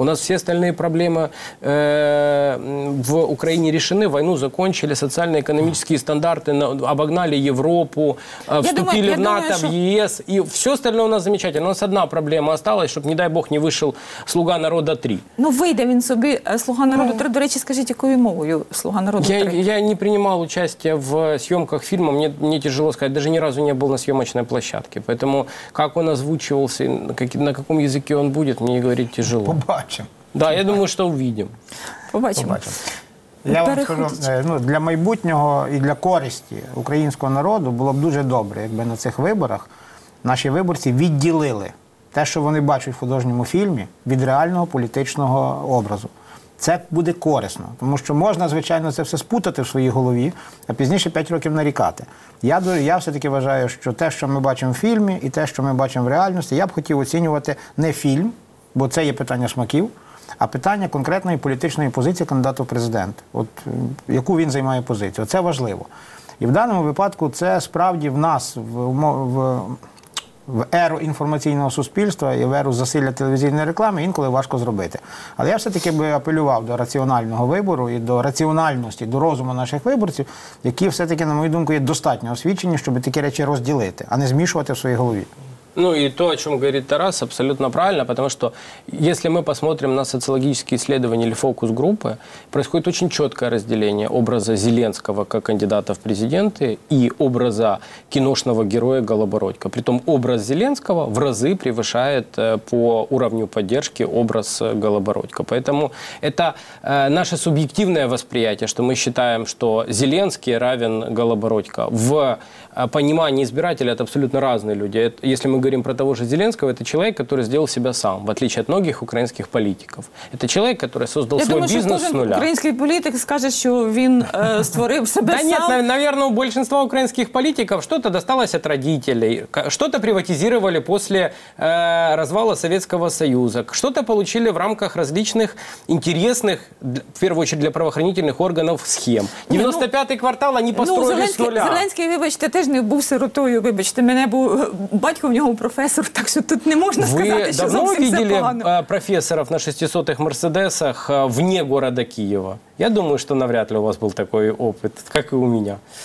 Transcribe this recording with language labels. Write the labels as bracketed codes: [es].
[ru] У нас все остальные проблемы в Украине решены, войну закончили, социально-экономические стандарты обогнали Европу, вступили в НАТО, в ЕС, и все остальное у нас замечательно. У нас одна проблема осталась, чтобы, не дай бог, не вышел «Слуга народа 3». [uk] Ну, выйде він собі «Слуга народа 3». До речі, [ru] скажите, какую мовою «Слуга народа 3»? Я не принимал участие в съемках фильма, мне тяжело сказать, даже ни разу не был на съемочной площадке. Поэтому как он озвучивался, на каком языке он будет, мне говорить тяжело. [uk] Побачим. [ru] Да, я думаю, что увидим. [uk] Побачим. Я вам скажу, ну, для майбутнього і для користі українського народу було б дуже добре, якби на цих виборах наші виборці відділили те, що вони бачать в художньому фільмі, від реального політичного образу. Це буде корисно, тому що можна, звичайно, це все спутати в своїй голові, а пізніше 5 років нарікати. Я все-таки вважаю, що те, що ми бачимо в фільмі, і те, що ми бачимо в реальності, я б хотів оцінювати не фільм, бо це є питання смаків, а питання конкретної політичної позиції кандидата в президент. От яку він займає позицію. Це важливо. І в даному випадку це справді в нас, в в еру інформаційного суспільства і в еру засилля телевізійної реклами інколи важко зробити. Але я все-таки би апелював до раціонального вибору і до раціональності, до розуму наших виборців, які все-таки, на мою думку, є достатньо освічені, щоб такі речі розділити, а не змішувати в своїй голові. [ru] Ну и то, о чем говорит Тарас, абсолютно правильно, потому что если мы посмотрим на социологические исследования или фокус-группы, происходит очень четкое разделение образа Зеленского как кандидата в президенты и образа киношного героя Голобородько. Притом образ Зеленского в разы превышает по уровню поддержки образ Голобородько. Поэтому это наше субъективное восприятие, что мы считаем, что Зеленский равен Голобородько. В понимании избирателя это абсолютно разные люди. Если мы говорим про того же Зеленского, это человек, который сделал себя сам, в отличие от многих украинских политиков. Это человек, который создал свой бизнес с нуля. Украинский политик скажет, что он створил себя сам. Да нет, наверное, у большинства украинских политиков что-то досталось от родителей, что-то приватизировали после развала Советского Союза, что-то получили в рамках различных интересных, в первую очередь для правоохранительных органов, схем. 95-й квартал они построили с нуля. [uk] Зеленский, вибачте, теж не був сиротою, вибачте, мене був батько у нього професор, так що тут не можна ви сказати, що зовсім все погано. Ви давно бачили професорів на 600-х мерседесах вне міста Києва? Я думаю, що навряд ли у вас був такий досвід, як і у мене.